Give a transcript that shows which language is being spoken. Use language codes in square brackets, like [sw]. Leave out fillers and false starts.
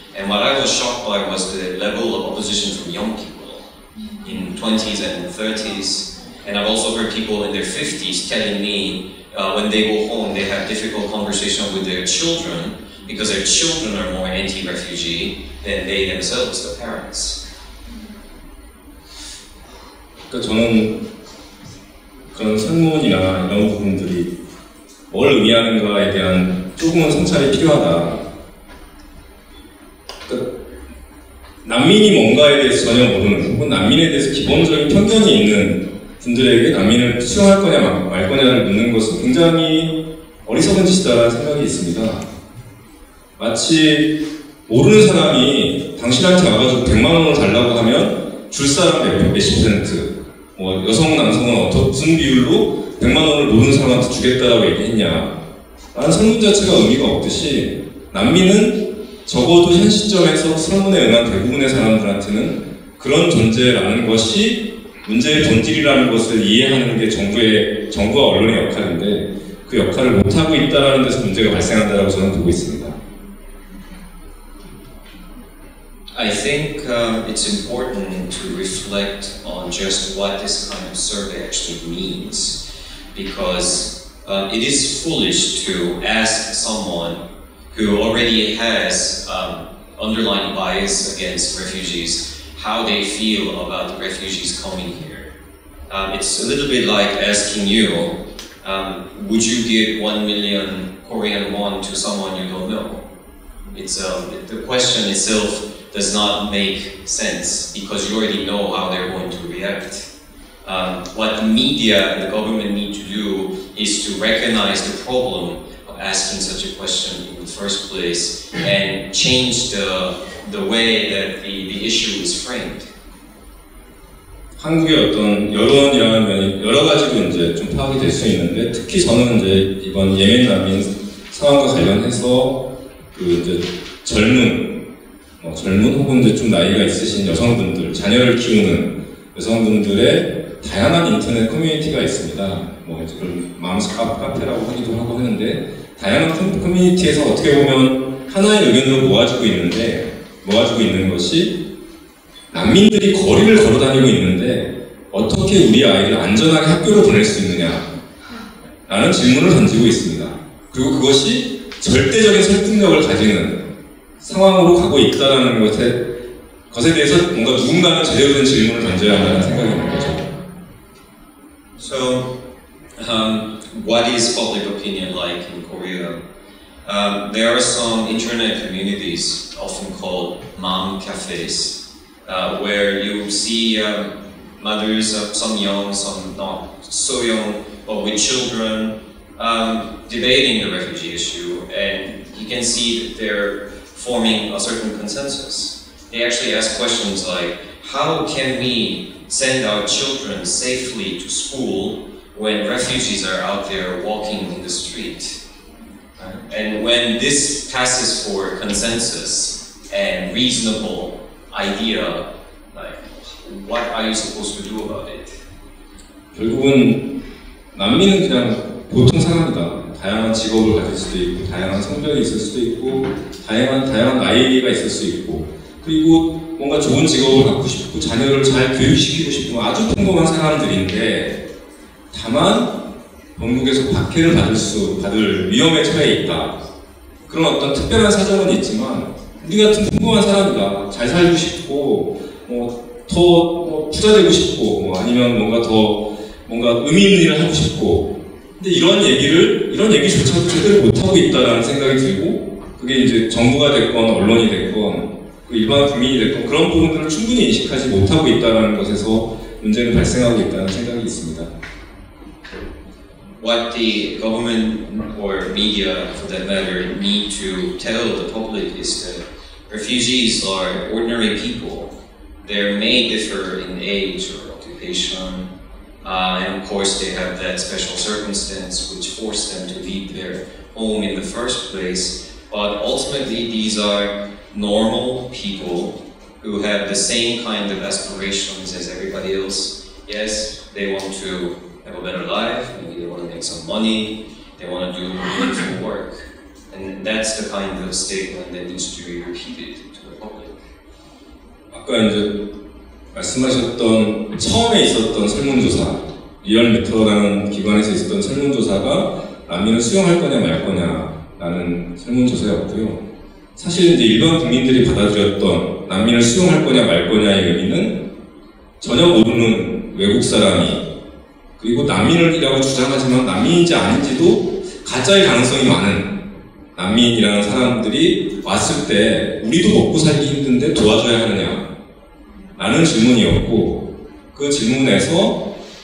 [en] And what I was shocked by was the level of opposition from young people in 20s and 30s. And I've also heard people in their 50s telling me when they go home they have difficult conversations with their children because their children are more anti-refugee than they themselves, the parents. [ko] 그러니까 저는 그런 설문이나 이런 부분들이 뭘 의미하는가에 대한 조금은 성찰이 필요하다. 그러니까 난민이 뭔가에 대해서 전혀 모르는 혹은 난민에 대해서 기본적인 편견이 있는 분들에게 난민을 수용할 거냐 말 거냐를 묻는 것은 굉장히 어리석은 짓이다라는 생각이 있습니다. 마치 모르는 사람이 당신한테 와가지고 100만 원을 달라고 하면 줄 사람 몇십 퍼센트 뭐 여성, 남성은 어떤 비율로 100만 원을 모르는 사람한테 주겠다라고 얘기했냐 라는 설문 자체가 의미가 없듯이 난민은 적어도 현 시점에서 설문에 응한 대부분의 사람들한테는 그런 존재라는 것이 문제의 본질이라는 것을 이해하는 게 정부와 언론의 역할인데 그 역할을 못하고 있다는 데서 문제가 발생한다고 저는 보고 있습니다. [en] I think it's important to reflect on just what this kind of survey actually means, because it is foolish to ask someone who already has underlying bias against refugees how they feel about the refugees coming here. It's a little bit like asking you, would you give 1 million Korean won to someone you don't know? The question itself does not make sense because you already know how they're going to react. What the media and the government need to do is to recognize the problem of asking such a question in the first place and change the way that the issue is framed. [ko] 한국의 어떤 여론이라는 면이 여러 가지로 이제 좀 파악이 될 수 있는데 특히 저는 이제 이번 예멘 난민 상황과 관련해서 그 이제 젊은 혹은 이제 좀 나이가 있으신 여성분들, 자녀를 키우는 여성분들의 다양한 인터넷 커뮤니티가 있습니다. 뭐 이제 그런 마음스 카페라고 하기도 하고 하는데 다양한 커뮤니티에서 어떻게 보면 하나의 의견으로 모아지고 있는 것이 난민들이 거리를 걸어 다니고 있는데 어떻게 우리 아이를 안전하게 학교로 보낼 수 있느냐 라는 질문을 던지고 있습니다. 그리고 그것이 절대적인 설득력을 가지는 상황으로 가고 있다는 것에 대해서 뭔가 누군가는 제대로 된 질문을 던져야 한다는 생각이 드는 거죠. [en] So, what is public opinion like in Korea? There are some internet communities often called mom cafes where you see mothers, some young, some not so young, but with children debating the refugee issue, and you can see that they're forming a certain consensus. They actually ask questions like, how can we send our children safely to school when refugees are out there walking in the street? And when this passes for consensus and reasonable idea, like, what are you supposed to do about it? [ko] 결국은 난민은 그냥 보통 사람이다. 다양한 직업을 가질 수도 있고, 다양한 성별이 있을 수도 있고, 다양한 나이가 있을 수 있고, 그리고 뭔가 좋은 직업을 갖고 싶고 자녀를 잘 교육시키고 싶고 아주 평범한 사람들인데 다만 본국에서 박해를 받을 위험에 처해 있다. 그런 어떤 특별한 사정은 있지만 우리 같은 평범한 사람이다. 잘 살고 싶고 더 부자되고 싶고 아니면 뭔가 더 뭔가 의미 있는 일을 하고 싶고 근데 이런 얘기조차도 제대로 못하고 있다라는 생각이 들고 그게 이제 정부가 됐건 언론이 됐건 일반 국민이 됐건 그런 부분들을 충분히 인식하지 못하고 있다는 것에서 문제는 발생하고 있다는 생각이 있습니다. [en] What the government or media for that matter need to tell the public is that refugees are ordinary people. They may differ in age or occupation, and of course they have that special circumstance which forced them to leave their home in the first place. But ultimately these are normal people who have the same kind of aspirations as everybody else. Yes, they want to have a better life, maybe they want to make some money, they want to do meaningful work. And that's the kind of statement that needs to be repeated to the public. [ko] 아까 이제 말씀하셨던 처음에 있었던 설문조사, 리얼미터라는 기관에서 있었던 설문조사가 난민을 수용할 거냐 말 거냐 라는 설문조사였고요. 사실 이제 일반 국민들이 받아들였던 난민을 수용할 거냐 말 거냐의 의미는 전혀 모르는 외국 사람이 그리고 난민이라고 주장하지만 난민인지 아닌지도 가짜일 가능성이 많은 난민이라는 사람들이 왔을 때 우리도 먹고 살기 힘든데 도와줘야 하느냐 라는 질문이었고 그 질문에서